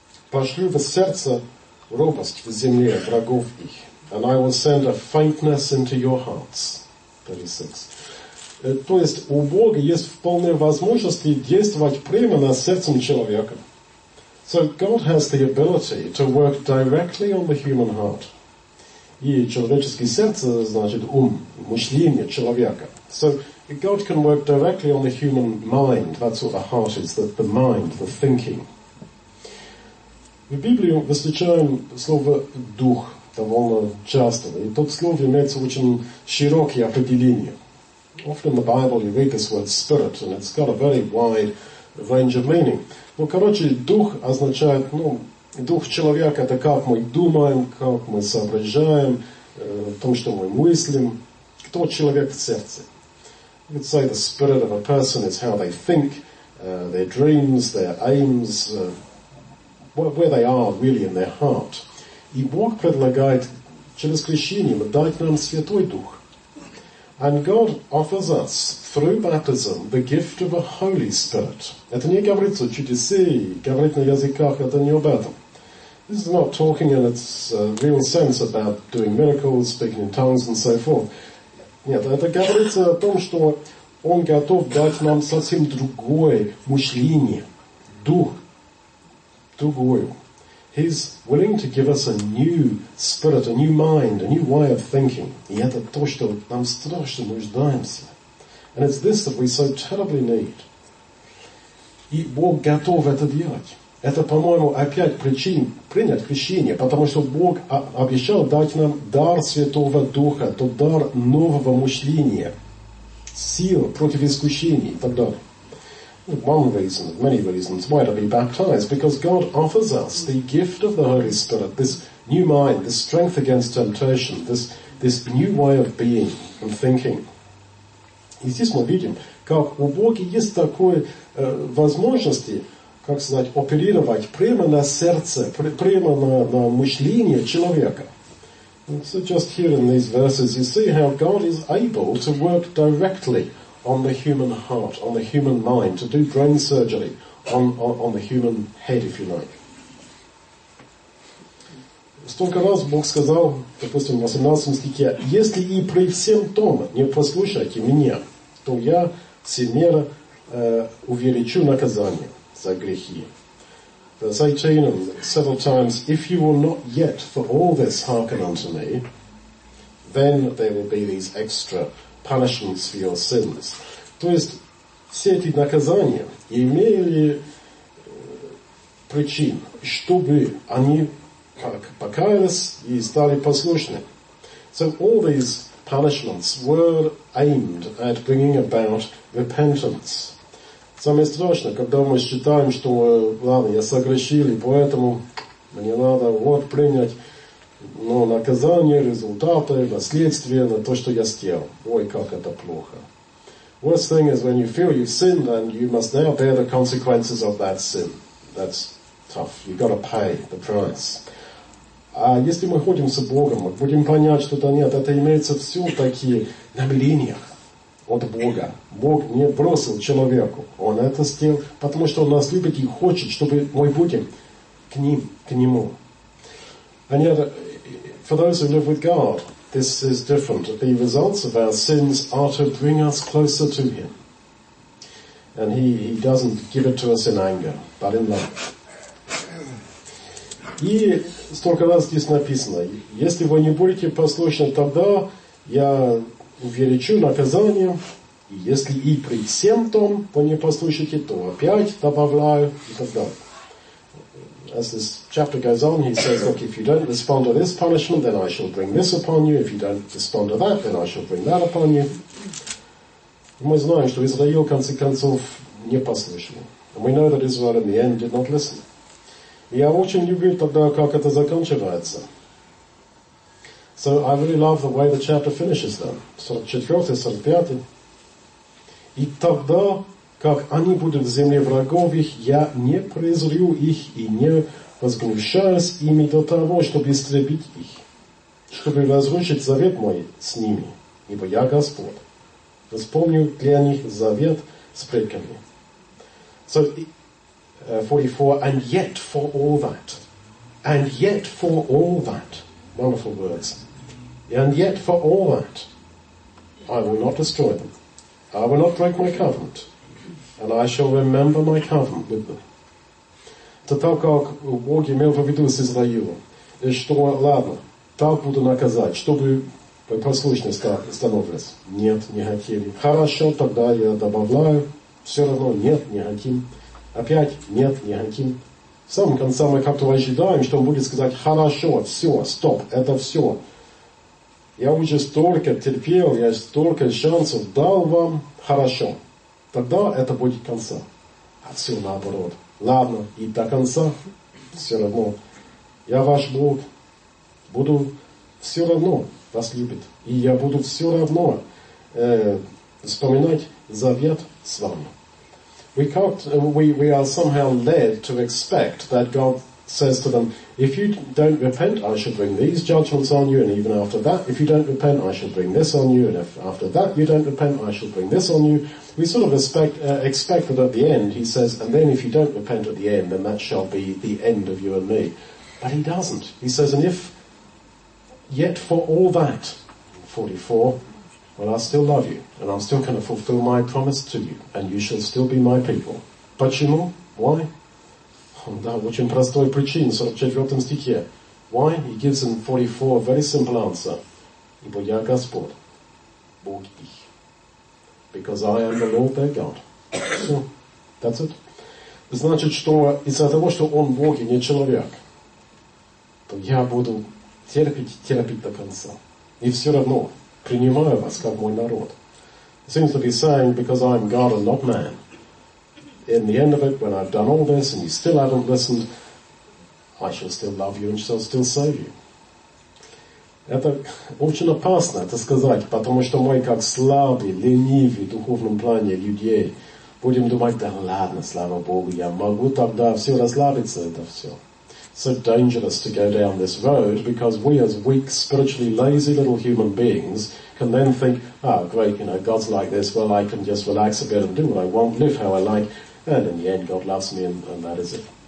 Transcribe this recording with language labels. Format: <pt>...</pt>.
<ru>Пошлю в сердце робость в земле врагов их.</ru> <en>And I will send a faintness into your hearts.</en> <ru>36. То есть у Бога есть вполне возможность действовать прямо на сердце человека.</ru> <en>So God has the ability to work directly on the human heart.</en> <ru>И человеческое сердце, значит, ум, мышление человека.</ru> <en>So God can work directly on the human mind. That's what the heart is, the mind, the thinking.</en> <ru>В Библии встречаем слово «дух» довольно часто. И тут слово имеет очень широкое определение.</ru> <en>Often in the Bible you read this word «spirit», and it's got a very wide range of meaning.</en> <ru>Ну, короче, дух означает, ну, дух человека – это как мы думаем, как мы соображаем, то, что мы мыслим, кто человек в сердце.</ru> <en>You could say the spirit of a person is how they think, their dreams, their aims, where they are really in their heart.</en> <ru>И Бог предлагает через крещение дать нам Святой Дух.</ru> <en>And God offers us, through baptism, the gift of a Holy Spirit.</en> <ru>Это не говорится чудеси, говорить на языках, это не об этом.</ru> <en>This is not talking in its real sense about doing miracles, speaking in tongues and so forth.</en> <ru>Нет, это говорится о том, что Он готов дать нам совсем другое мышление, дух, другую.</ru> <en>He's willing to give us a new spirit, a new mind, a new way of thinking.</en> <ru>И это то, что нам страшно нуждаемся.</ru> <en>And it's this that we so terribly need.</en> <ru>И Бог готов это делать. Это, по-моему, опять причина принять крещение, потому что Бог обещал дать нам дар Святого Духа, тот дар нового мышления, сил против искушений и так далее.</ru> <en>One reason, many reasons, why to be baptized? Because God offers us the gift of the Holy Spirit, this new mind, this strength against temptation, this new way of being and thinking. И здесь мы видим, как у Бога есть такой возможности, как сказать, оперировать прямо на сердце, прямо на мышление человека. So just here in these verses, you see how God is able to work directly on the human heart, on the human mind, to do brain surgery on the human head, if you like.</en> <ru>Столько раз Бог сказал, допустим, в 18 стихе, если и при всем том не послушайте меня, то я всемерно увеличу наказание за грехи.</ru> <en>Verse 18, and several times, if you will not yet for all this hearken unto me, then there will be these extra punishments for your sins.</en> <ru>То есть, все эти наказания имели причин, чтобы они покаялись и стали послушны.</ru> <en>So all these punishments were aimed at bringing about repentance.</en> <ru>Самое страшное, когда мы считаем, что, ладно, я согрешил, и поэтому мне надо вот принять но наказание, результаты, последствия на то, что я сделал. Ой, как это плохо.</ru> <en>Worst thing is when you feel you've sinned and you must now bear the consequences of that sin. That's tough. You gotta pay the price.</en> <ru>А если мы ходим с Богом, мы будем понять, что это нет, это имеется все такие намерения от Бога. Бог не бросил человеку. Он это сделал, потому что Он нас любит и хочет, чтобы мы будем к Ним, к Нему.</ru> <en>And for those who live with God, this is different. The results of our sins are to bring us closer to Him. And he doesn't give it to us in anger, but in love.</en> <ru>И столько раз здесь написано, если вы не будете послушны, тогда я увеличу наказание, и если и при всем том вы не послушаете, то опять добавляю, и так далее.</ru> <en>As this chapter goes on, he says, look, if you don't respond to this punishment, then I shall bring this upon you. If you don't respond to that, then I shall bring that upon you.</en> <ru>Мы знаем, что Израиль, в конце концов, не послушал.</ru> <en>And we know that Israel, in the end, did not listen.</en> <ru>Я очень люблю тогда, как это заканчивается.</ru> <en>So I really love the way the chapter finishes then.</en> <ru>44, 45. И тогда, как они будут в земле врагов их, я не презрю их и не возгнушаюсь ими до того, чтобы истребить их, чтобы разрушить завет мой с ними, ибо я Господь. Вспомню для них завет с предками.</ru> <en>So, 44, and yet for all that. And yet for all that. Wonderful words. And yet for all that, I will not destroy them. I will not break my covenant. And I shall remember my covenant with them.</en> <ru>То так, как Бог имел в виду с Израилом. И что, ладно, так буду наказать, чтобы вы послушны становились. Нет, не хотели. Хорошо, тогда я добавляю. Все равно нет, не хотим. Опять нет, не хотим. В самом конце мы как-то ожидаем, что он будет сказать, хорошо, все, стоп, это все. Я уже столько терпел, я столько шансов дал вам, хорошо. Тогда это будет конца. А все наоборот. Ладно, и до конца все равно. Я ваш Бог. Буду все равно вас любить. И я буду все равно вспоминать завет с вами.</ru> <en>We can't, we are somehow led to expect that God says to them, if you don't repent, I shall bring these judgments on you, and even after that, if you don't repent, I shall bring this on you, and if after that you don't repent, I shall bring this on you. We sort of expect that at the end, he says, and then if you don't repent at the end, then that shall be the end of you and me. But he doesn't. He says, and if yet for all that, 44, well, I still love you, and I'm still going to fulfill my promise to you, and you shall still be my people.</en> <ru>Почему?</ru> <en>Why?</en> <ru>Да, очень простой причин, 44 стихе.</ru> <en>Why? He gives in 44 a very simple answer.</en> <ru>Ибо я Господь, Бог их.</ru> <en>Because I am the Lord their God. So, that's it.</en> <ru>Значит, что из-за того, что он Бог и не человек, то я буду терпеть до конца. И все равно принимаю вас как мой народ.</ru> <en>It seems to be saying, because I'm God and not man. In the end of it, when I've done all this and you still haven't listened, I shall still love you and shall still save you.</en> <ru>Это очень опасно это сказать, потому что мы как слабые, ленивые в духовном плане людей будем думать, да ладно, слава Богу, я могу тогда все расслабиться, это все.</ru> <en>So dangerous to go down this road because we as weak, spiritually lazy little human beings can then think, oh great, you know, God's like this, well I can just relax a bit and do what I want, live how I like, and in the end God loves me and that is it.</en>